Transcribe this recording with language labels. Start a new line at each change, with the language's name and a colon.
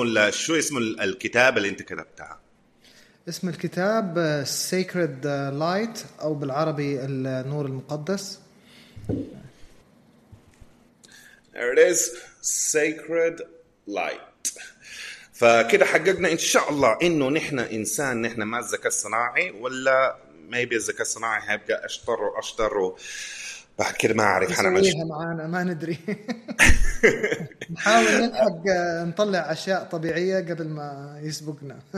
Arabic: شو اسم الكتاب اللي أنت كتبتها؟ اسم الكتاب Sacred Light، أو بالعربي النور المقدس.
English: There it is, Sacred Light.
Arabic: فكده حققنا إن شاء الله إنه نحن إنسان، نحن ما الذكاء الصناعي، ولا maybe الذكاء الصناعي هيبقى أشطر وأشطر بعد كده، ما أعرف هنعمل شيء معانا، ما ندري. نحاول نلحق نطلع أشياء طبيعية قبل ما يسبقنا.